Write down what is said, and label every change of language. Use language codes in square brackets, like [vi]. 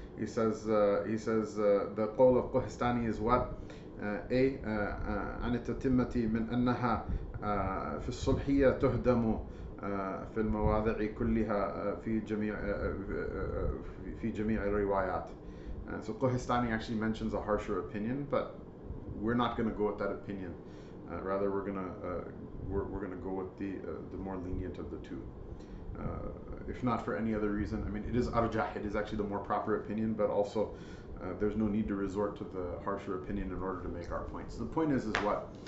[en] He says the qawl of Qohistani is what? [ar] A عن التتمة من أنها في الصلحية تهدم في المواضع كلها في جميع الروايات. [en] So Qohistani actually mentions a harsher opinion, but we're not going to go with that opinion. Rather, we're gonna go with the more lenient of the two. If not for any other reason, I mean, it is arjah, it is actually the more proper opinion, but also there's no need to resort to the harsher opinion in order to make our point. So the point is what?